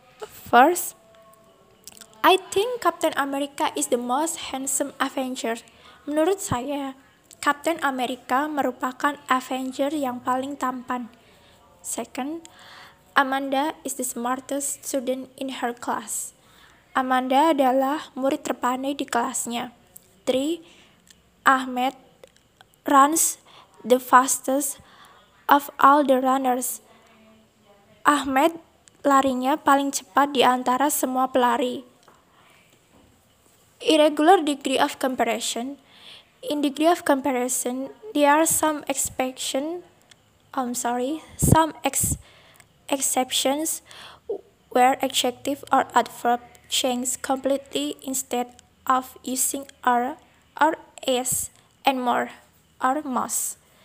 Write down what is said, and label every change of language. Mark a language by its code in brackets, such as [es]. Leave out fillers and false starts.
[en] First, I think Captain America is the most handsome Avenger. [id] Menurut saya, Captain America merupakan Avenger yang paling tampan. [en] Second, Amanda is the smartest student in her class. [id] Amanda adalah murid terpandai di kelasnya. [en] 3. Ahmed runs the fastest of all the runners. [id] Ahmed larinya paling cepat di antara semua pelari. [en] Irregular degree of comparison. In degree of comparison, there are some exceptions where adjective or adverb changes completely instead of using are or is and more or most.